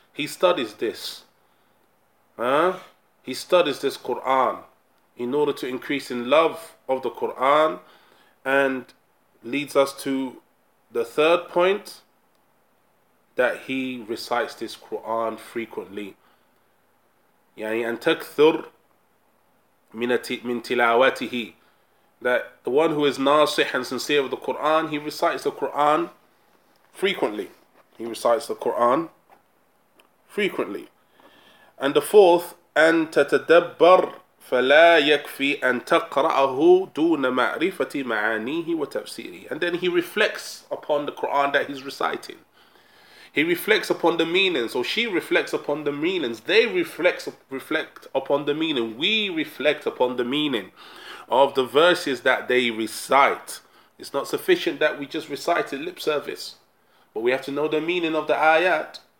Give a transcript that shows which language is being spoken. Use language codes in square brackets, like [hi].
[en] He studies this. He studies this Quran in order to increase in love of the Quran, and leads us to the third point, that he recites this Quran frequently. [ar] يعني أن تكثر من تلاوته. [en] That the one who is nasih and sincere of the Quran, he recites the Quran frequently. He recites the Quran frequently. And the fourth, [ar] أن تتدبر فلا يكفي أن تقرأه دون معرفة معانيه وتفسيره. [en] And then he reflects upon the Quran that he's reciting. He reflects upon the meanings, or she reflects upon the meanings. They reflect upon the meaning. We reflect upon the meaning of the verses that they recite. It's not sufficient that we just recite it lip service, but we have to know the meaning of the ayat.